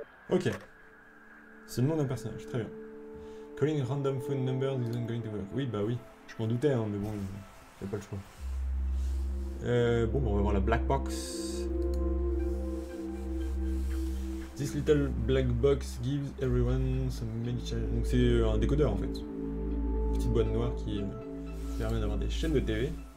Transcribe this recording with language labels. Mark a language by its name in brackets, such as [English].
[French] Ok. C'est le nom d'un personnage, très bien. [English] Calling random phone numbers isn't going to work. [French] Oui, bah oui. Je m'en doutais, hein, mais bon, j'ai pas le choix. Bon, on va voir la black box. [English] This little black box gives everyone some magical. [French] Donc c'est un décodeur en fait. Une petite boîte noire qui permet d'avoir des chaînes de TV.